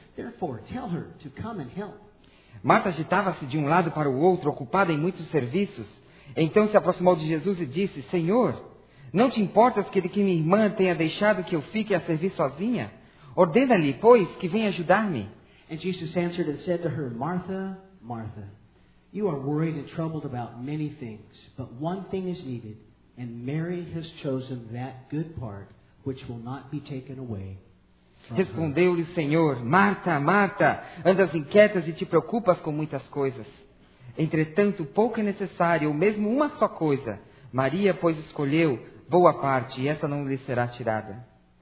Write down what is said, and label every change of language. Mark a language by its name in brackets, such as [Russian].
[English] Therefore, tell her to come and help. [Portuguese] Marta agitava-se de um lado para o outro, ocupada em muitos serviços. Então se aproximou de Jesus e disse, Senhor, não te importas que minha irmã tenha deixado que eu fique a servir sozinha? Ordena-lhe, pois, que venha ajudar-me. [English] And Jesus answered and said to her, Martha, Martha, you are worried and troubled about many things, but one thing is needed, and Mary has chosen that good part which will not be taken away. [Portuguese] Respondeu-lhe o Senhor, Marta, Marta, andas inquietas e te preocupas com muitas coisas. Entretanto, pouco é necessário, ou mesmo uma só coisa. Maria, pois, escolheu boa parte, e essa não lhe será tirada.